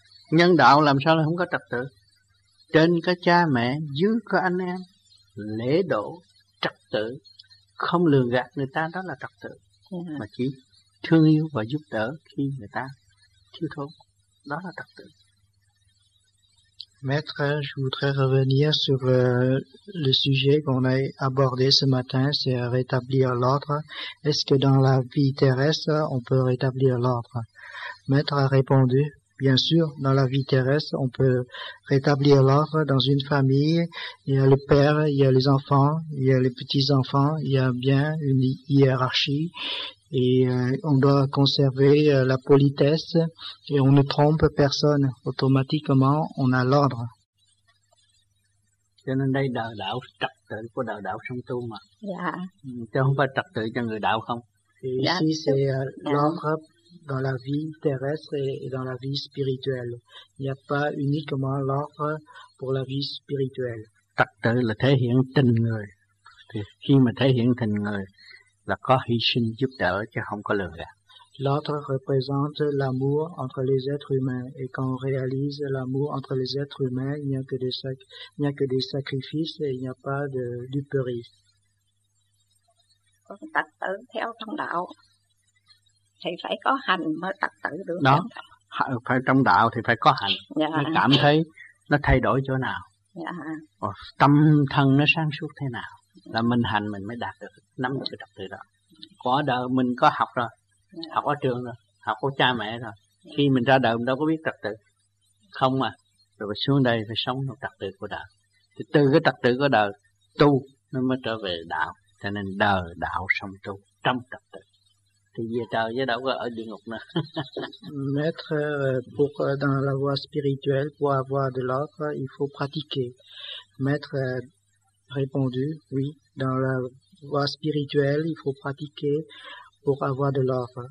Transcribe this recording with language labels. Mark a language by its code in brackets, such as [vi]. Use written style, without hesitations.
[vi] Nhân đạo làm sao là không có trật tự? Trên có cha mẹ, dưới có anh em, lễ độ, trật tự, không lường gạt người ta, đó là trật tự. Mà chỉ thương yêu và giúp đỡ khi người ta thiếu thốn, đó là trật tự. [fr] Maître, je voudrais revenir sur le sujet qu'on a abordé ce matin, c'est rétablir l'ordre. Est-ce que dans la vie terrestre, on peut rétablir l'ordre? Maître a répondu: bien sûr, dans la vie terrestre, on peut rétablir l'ordre dans une famille. Il y a le père, il y a les enfants, il y a les petits-enfants, il y a bien une hiérarchie. Et on doit conserver la politesse et on ne trompe personne. Automatiquement, on a l'ordre. [vi] Cho nên đây đạo đạo trật tự của đạo đạo song tu mà. Dạ. Chứ không phải trật tự cho người đạo không. [fr] Ici, yeah. C'est l'ordre. Dans la vie terrestre et dans la vie spirituelle, il n'y a pas uniquement l'ordre pour la vie spirituelle. [vi] Trật tự là thể hiện tình người. Thì khi mà thể hiện tình người là có hy sinh giúp đỡ chứ không có lừa gạt. [fr] L'ordre représente l'amour entre les êtres humains et quand on réalise l'amour entre les êtres humains, il n'y a que des sacrifices et il n'y a pas de duperie. [vi] Trật tự theo thông đạo thì phải có hành mới trật tự được. Đó, phải trong đạo thì phải có hành. Dạ. Nó cảm thấy nó thay đổi chỗ nào. Dạ. Tâm thân nó sáng suốt thế nào là mình hành mình mới đạt được, nắm được cái trật tự đó. Có đời mình có học rồi. Dạ. Học ở trường rồi, học của cha mẹ rồi. Dạ. Khi mình ra đời mình đâu có biết trật tự. Không à. Rồi xuống đây phải sống theo trật tự của đời. Thì từ cái trật tự của đời tu nó mới trở về đạo, cho nên đời đạo song tu trong trật tự. [fr] Maître, pour dans la voie spirituelle, pour avoir de l'ordre, il faut pratiquer. Maître a répondu, oui, dans la voie spirituelle, il faut pratiquer pour avoir de l'ordre.